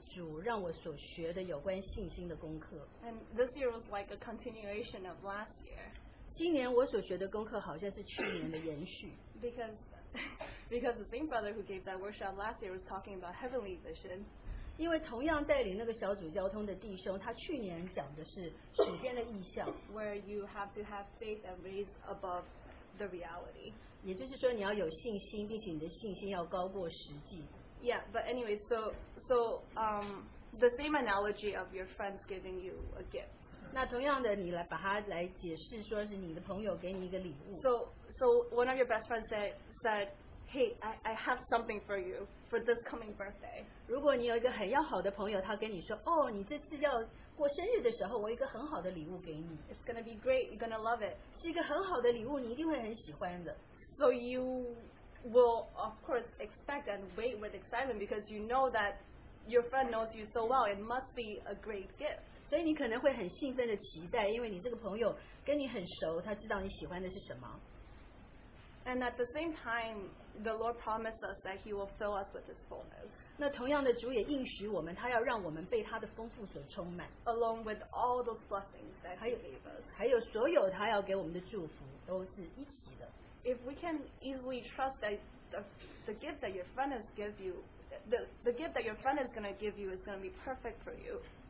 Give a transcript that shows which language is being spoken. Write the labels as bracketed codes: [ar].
[zh] 那也我就把它连上了最近主让我所学的有关信心的功课。And [en] this year was like a continuation of last year. [zh] 今年我所学的功课好像是去年的延续。 [en] Because the same brother who gave that workshop last year was talking about heavenly vision. [zh] 因为同样带领那个小组交通的弟兄，他去年讲的是属天的意象。 [en] Where you have to have faith and raise above the reality. [zh] 也就是说你要有信心，并且你的信心要高过实际。 [en] Yeah, but anyway, so the same analogy of your friends giving you a gift. [zh] 那同样的，你来把它来解释，说是你的朋友给你一个礼物。 [en] So one of your best friends said hey, I have something for you for this coming birthday. [zh] 如果你有一个很要好的朋友，他跟你说， oh, 你这次要过生日的时候，我有一个很好的礼物给你。 [en] It's gonna be great. You're gonna love it. [zh] 是一个很好的礼物，你一定会很喜欢的。 [en] So you will of course expect and wait with excitement because you know that your friend knows you so well. It must be a great gift. [zh] 所以你可能会很兴奋的期待，因为你这个朋友跟你很熟，他知道你喜欢的是什么。 [en] And at the same time, the Lord promised us that He will fill us with His fullness. [zh] 那同样的主也应许我们，他要让我们被他的丰富所充满。 [en] Along with all those blessings that He gave us. [zh] 还有所有他要给我们的祝福，都是一起的。 [en] If we can easily trust that the gift that your friend has given you, the gift that your friend is going to give you is going to be perfect for you.